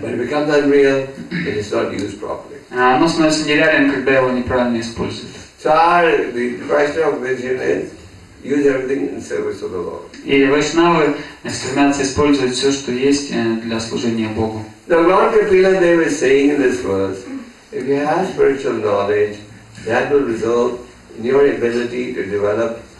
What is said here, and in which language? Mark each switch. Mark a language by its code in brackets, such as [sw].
[en] But it becomes unreal if it's not used properly. [ru] Оно становится нереальным, когда его неправильно используют. [en] So the Vaishnava vision is use everything in service of the Lord. [ru] И Вайшнавы стремятся использовать все, что есть, для служения Богу. [en] Now Lord Kapila Deva is saying in this verse, if you have spiritual knowledge, that will result in your ability to develop